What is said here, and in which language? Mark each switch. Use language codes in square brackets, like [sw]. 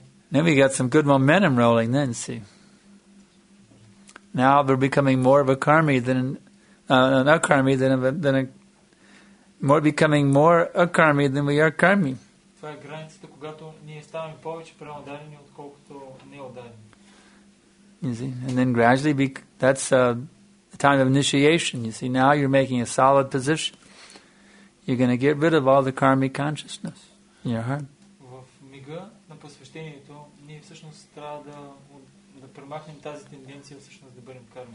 [en] Then we got some good momentum rolling then, see. Now we're becoming more of a karmi than an akarmi than a More becoming more a karmi than we are karmi. [bg] Това е границата, когато ние ставаме повече преодарени, отколкото [en] неодарени. You see, and then gradually that's the time of initiation. You see, now you're making a solid position. You're going to get rid of all the karmic consciousness in your heart. [bg] В мига на посвещението, ние всъщност трябва да премахнем тази тенденция всъщност да бъдем карми.